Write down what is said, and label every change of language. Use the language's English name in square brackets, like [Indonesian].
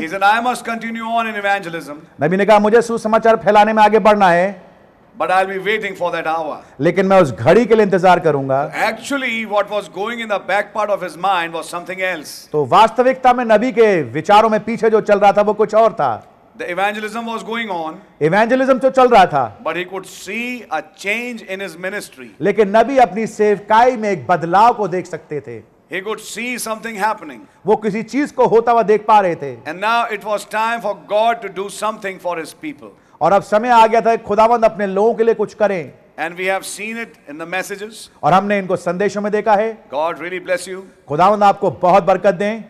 [English] He said, I must continue on in evangelism. [Hindi] नबी ने कहा मुझे सुसमाचार फैलाने में आगे बढ़ना है. [English] But I'll be waiting for that hour. [Hindi] लेकिन मैं उस घड़ी के लिए इंतजार करूंगा. [English] Actually, what was going in the back part of his mind was something else. [Hindi] तो वास्तविकता में नबी के विचारों में पीछे जो चल रहा था वो कुछ और था. [English] The evangelism was going on. [Hindi] Evangelism तो चल रहा था. [English] But he could see a change in his ministry. [Hindi] लेकिन नबी अपनी सेवकाई में एक बदलाव को देख सकते थे. [English] He could see something happening. [Hindi] वो किसी चीज को होता हुआ देख पा रहे थे. [English] And now it was time for God to do something for his people. [Hindi] और अब समय आ गया था खुदावंद अपने लोगों के लिए कुछ करें. [English] And we have seen it in the messages. [Hindi] और हमने इनको संदेशों में देखा है. [English] God really bless you. [Hindi] खुदावंद आपको बहुत बरकत दें.